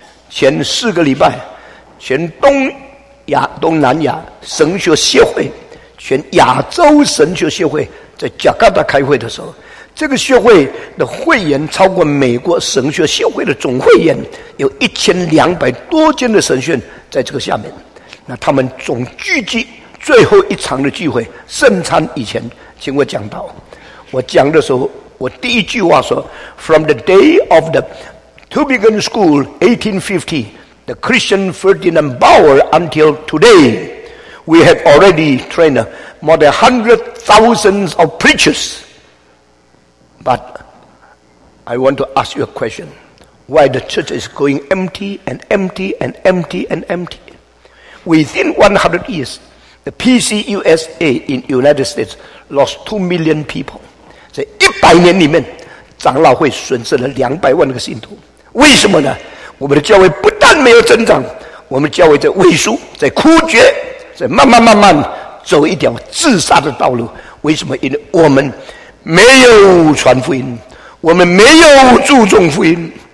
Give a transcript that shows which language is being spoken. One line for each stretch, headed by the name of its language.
Chinese: 前4个礼拜，全东亚、东南亚神学协会、全亚洲神学协会在加拿大开会的时候，这个协会的会员超过美国神学协会的总会员，有1200多间的神学院在这个下面。那他们总聚集最后一场的聚会，圣餐以前，请我讲道。我讲的时候，我第一句话说
English: ：“From the day of the Tubingen School, 1850, the Christian Ferdinand Bauer until today, we have already trained more than 100,000 of preachers. But I want to ask you a question: Why the church is going empty and empty and empty and empty? Within 100 years.” The PCUSA in the United States lost 2 million people.
Chinese: 在一百年里面，长老会损失了200万个信徒。为什么呢？我们的教会不但没有增长，我们教会在萎缩，在枯竭，在慢慢慢慢走一条自杀的道路。为什么？因为我们没有传福音，我们没有注重福音。